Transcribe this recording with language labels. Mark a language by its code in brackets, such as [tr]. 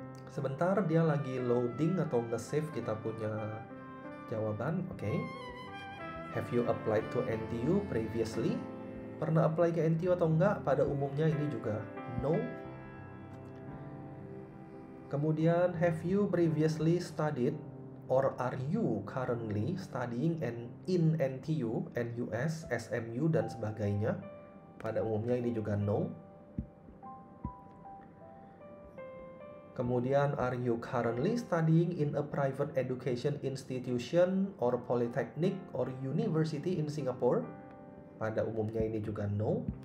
[id] sebentar dia lagi loading atau nge-save kita punya jawaban. Oke. Okay. [en] Have you applied to NTU previously? [id] Pernah apply ke NTU atau enggak? Pada umumnya ini juga no. Kemudian, [en] have you previously studied or are you currently studying in NTU, NUS, SMU, [id] dan sebagainya? Pada umumnya ini juga no. Kemudian, [en] are you currently studying in a private education institution or polytechnic or university in Singapore? [id] Pada umumnya ini juga no.